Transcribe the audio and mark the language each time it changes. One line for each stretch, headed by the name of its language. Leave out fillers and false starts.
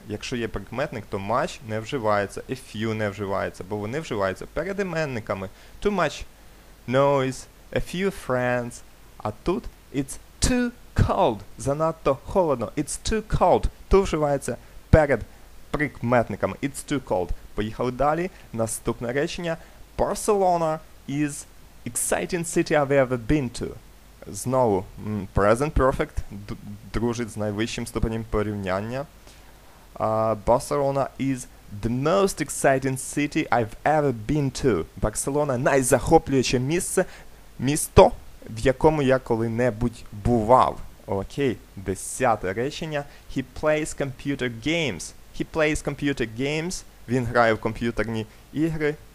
Ukrainian: Якщо є прикметник, то much не вживається, a few не вживається, бо вони вживаються перед іменниками.
English: Too much noise, a few friends.
Ukrainian: А тут
English: it's too cold.
Ukrainian: Занадто холодно.
English: It's too cold.
Ukrainian: Тут вживається перед прикметниками.
English: It's too cold.
Ukrainian: Поїхали далі. Наступне речення.
English: Barcelona is exciting city I've ever been to.
Ukrainian: Знову, present perfect, дружить з найвищим ступенем порівняння.
English: Barcelona is the most exciting city I've ever been to.
Ukrainian: Барселона – найзахоплююче місце, місто, в якому я коли-небудь бував. Окей, десяте речення.
English: He plays computer games. He plays computer games.
Ukrainian: Він грає в комп'ютерні ігри.